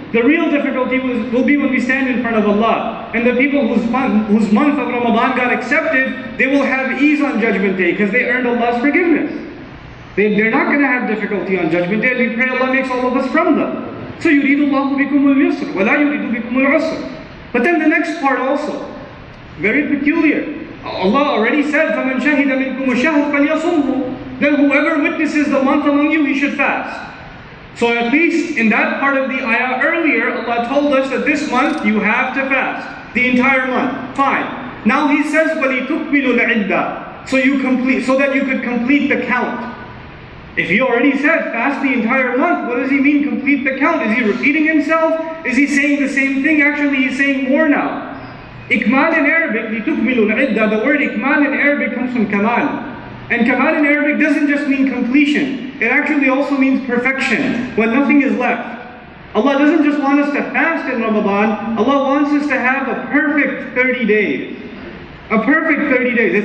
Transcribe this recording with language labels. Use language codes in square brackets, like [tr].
[en] The real difficulty will be when we stand in front of Allah. And the people whose month of Ramadan got accepted, they will have ease on Judgment Day because they earned Allah's forgiveness. They're not going to have difficulty on Judgment Day. We pray Allah makes all of us from them. [ar] So يُرِيدُ اللَّهُ بِكُمُ الْيُسْرُ وَلَا يُرِيدُ بِكُمُ الْعُسْرُ. [en] But then the next part also, very peculiar. Allah already said, [ar] فَمَنْ شَهِدَ مِنْكُمُ الشَّهْرُ فَلْيَصُمْهُ. [en] Then whoever witnesses the month among you, he should fast. So at least in that part of the ayah earlier, Allah told us that this month you have to fast. The entire month. Fine. Now he says, [ar] وَلِتُكْمِلُ الْعِدَّةِ. [en] So you complete, so that you could complete the count. If he already said, fast the entire month, what does he mean, complete the count? Is he repeating himself? Is he saying the same thing? Actually, he's saying more now. [ar] إِكْمَال [en] in Arabic, [ar] لِتُكْمِلُ الْعِدَّةِ. [en] The word إِكْمَال in Arabic comes from كَمَال. And kamal in Arabic doesn't just mean completion. It actually also means perfection, when nothing is left. Allah doesn't just want us to fast in Ramadan. Allah wants us to have a perfect 30 days. A perfect 30 days.